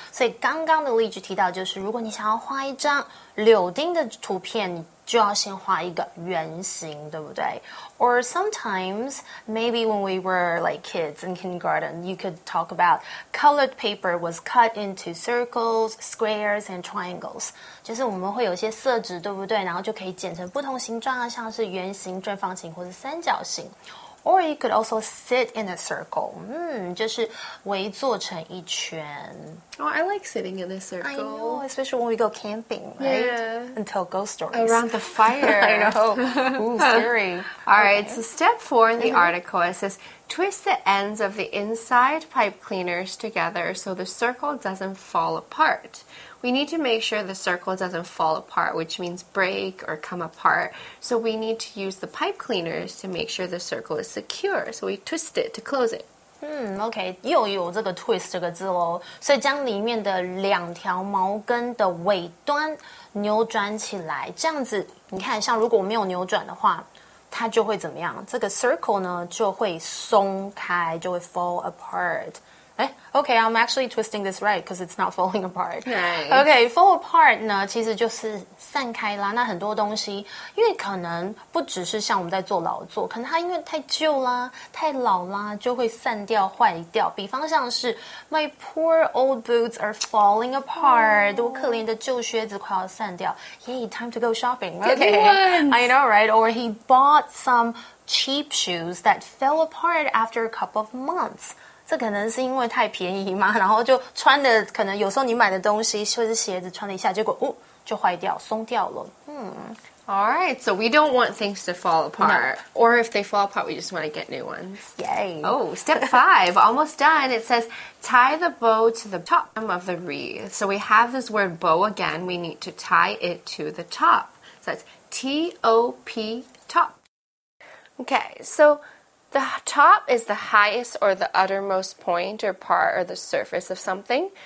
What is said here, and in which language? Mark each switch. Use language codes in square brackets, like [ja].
[zh] 所以刚刚的例句提到就是，如果你想要画一张柳丁的图片，就要先画一个圆形，对不对？ [en] Or sometimes, maybe when we were like kids in kindergarten, you could talk about colored paper was cut into circles, squares, and triangles. [zh] 就是我们会有些色纸，对不对？然后就可以剪成不同形状，像是圆形、正方形或是三角形。 [en] Or you could also sit in a circle. [zh] 就是围坐成一圈。 [en] Oh, I like sitting in a circle. I know, especially when we go camping, right? Yeah. And tell ghost stories. Around the fire. I know. Ooh, scary. All right, so step four in the article, it says, twist the ends of the inside pipe cleaners together so the circle doesn't fall apart. We need to make sure the circle doesn't fall apart, which means break or come apart. So we need to use the pipe cleaners to make sure the circle is secure. So we twist it to close it. [zh] OK, 又有这个 twist 这个字咯。所以将里面的两条毛根的尾端扭转起来。这样子你看像如果没有扭转的话它就会怎么样这个 circle 呢就会松开就会 fall apart. [en] Okay, I'm actually twisting this right because it's not falling apart. Nice. [zh] Okay, fall apart 呢其实就是散开啦。那很多东西因为可能不只是像我们在做劳作可能它因为太旧啦太老啦就会散掉坏掉。比方像是 My poor old boots are falling apart.、 Oh. 我可怜的旧靴子快要散掉。 [en] Yay, time to go shopping. Okay. I know, right? Or he bought some cheap shoes that fell apart after a couple of months. [zh] 这可能是因为太便宜嘛然后就穿的可能有时候你买的东西或是鞋子穿了一下结果、哦、就坏掉松掉了、 [en] Alright, so we don't want things to fall apart、 no. Or if they fall apart, we just want to get new ones Yay Oh, step five, almost done It says, tie the bow to the top of the wreath So we have this word bow again We need to tie it to the top So that's T-O-P, top Okay, soThe top is the highest or the uttermost point or part or the surface of something.